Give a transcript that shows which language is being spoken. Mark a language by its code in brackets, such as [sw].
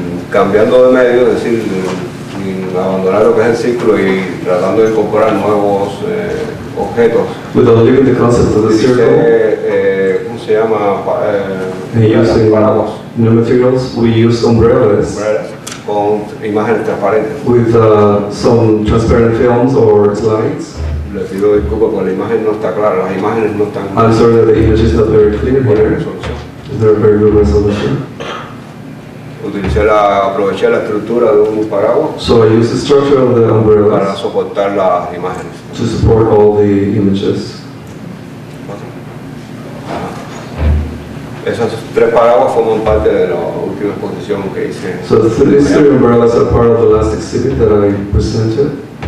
[es] Cambiando de medio, es decir, abandonar lo que es el ciclo y tratando de incorporar nuevos objetos. [en] Without leaving the concept of the circle, [es] ¿cómo se llama? [en] And using paraguas. New materials, we use umbrellas. [es] Con imágenes transparentes. [en] With some transparent films or slides. [es] Le pido disculpas, pero la imagen no está clara, las imágenes no están claras. [en] I'm sorry that the image is not very clear. [es] Buena resolución. [en] Is there a very good resolution? [es] Aproveché la estructura de un paraguas. [en] So I use the structure of the umbrella [es] para soportar las imágenes. [en] To support all the images. [es] Esos tres paraguas forman parte de la última exposición que hice. [en] So these three umbrellas are part of the last exhibit that I presented.